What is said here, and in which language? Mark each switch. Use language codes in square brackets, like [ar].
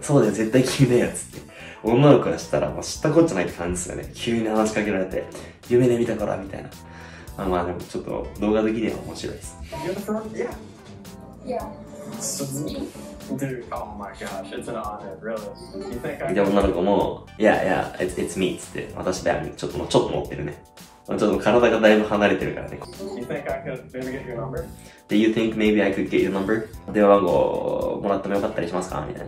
[ja] そうだよ、絶対君だよ、つって。女の子がしたら、もう知ったこっちゃないって感じですよね。急に話しかけられて、夢で見たから、みたいな。まあまあ、でもちょっと動画的には面白いです。 [en] Yeah, it's me. Dude, oh my gosh, it's an honor, really. You think I... [ja] で、女の子も、 [en] Yeah, it's me, [ja] つって。私だよ、ちょっと持ってるね。ちょっと体がだいぶ離れてるからね。 [en] You think I could maybe get your number? Do you think maybe I could get your number? [ja] 電話番号もらってもよかったりしますかみたいな。